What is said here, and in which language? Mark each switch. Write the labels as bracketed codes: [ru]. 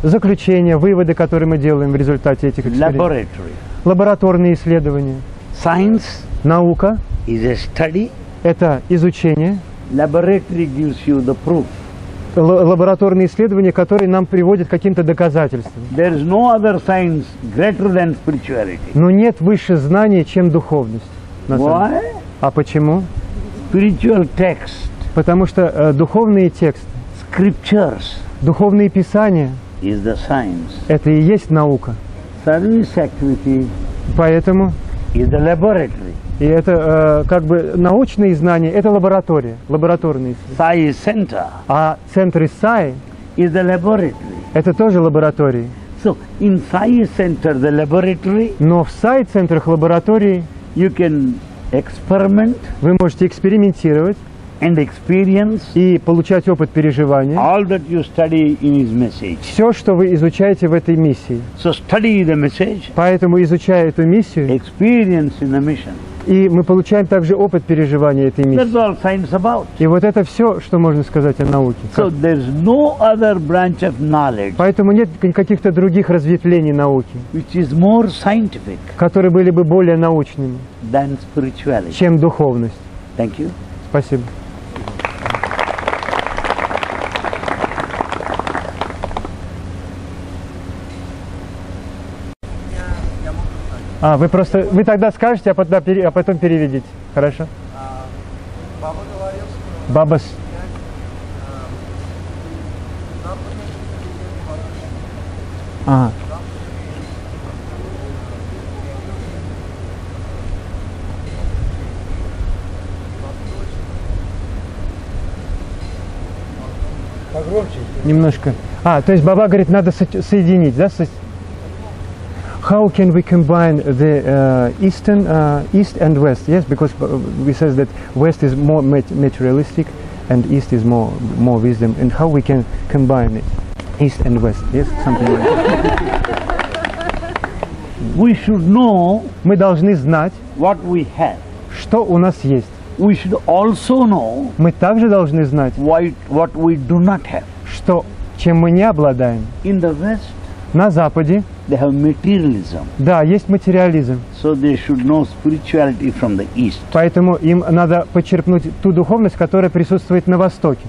[ru] Заключение, выводы, которые мы делаем в результате этих экспериментов. [en] Laboratory. [ru] Лабораторные исследования. [en] Science. [ru] Наука. [en] Is a study. [ru] Это изучение. [en] Laboratory gives you the proof. [ru] Лабораторные исследования, которые нам приводят к каким-то доказательствам. [en] There is no other science greater than spirituality. [ru] Но нет выше знания, чем духовность. [en] Why? [ru] А почему? [en] Spiritual text. [ru] Потому что духовные тексты. [en] Scriptures. [ru] Духовные писания. [en] Is the science. [ru] Это и есть наука. [en] Service activity. [ru] Поэтому. [en] Is the laboratory. [ru] И это как бы научные знания, это лаборатория, лабораторные [en] исследования. Sai Center. [ru] А центры Sai [en] is the laboratory. [ru] Это тоже лаборатории. [en] So in Sai Center the laboratory. [ru] Но в Sai центрах лаборатории [en] you can experiment. [ru] Вы можете экспериментировать. [en] And experience. [ru] И получать опыт переживания. [en] All that you study in his message. [ru] Все, что вы изучаете в этой миссии. [en] So study the message. [ru] Поэтому изучая эту миссию. [en] Experience in the mission. [ru] И мы получаем также опыт переживания этой миссии. [en] That's all science about. [ru] И вот это все, что можно сказать о науке. [en] So there's no other branch of knowledge. [ru] Поэтому нет каких-то других разветвлений науки, [en] which is more scientific, [ru] которые были бы более научными, [en] than spirituality, [ru] чем духовность. [en] Thank you. [ru] Спасибо. А, вы просто. Вы тогда скажете, а потом переведите. Хорошо? Баба говорил, что. Бабас. Погромче. Немножко. То есть Баба говорит, надо соединить, да? [en] How can we combine the eastern east and west? Yes, because we says that west is more materialistic and east is more wisdom. And how we can combine it, east and west? Yes, something like that. We should know. [ru] Мы должны знать. [en] What we have. [ru] Что у нас есть. [en] We should also know. [ru] Мы также должны знать. [en] What we do not have. [ru] Что, чем мы не обладаем. [en] In the west. [ru] На Западе. [en] They have materialism. [ru] Да, есть материализм. [en] So they should know spirituality from the east. [ru] Поэтому им надо почерпнуть ту духовность, которая присутствует на Востоке.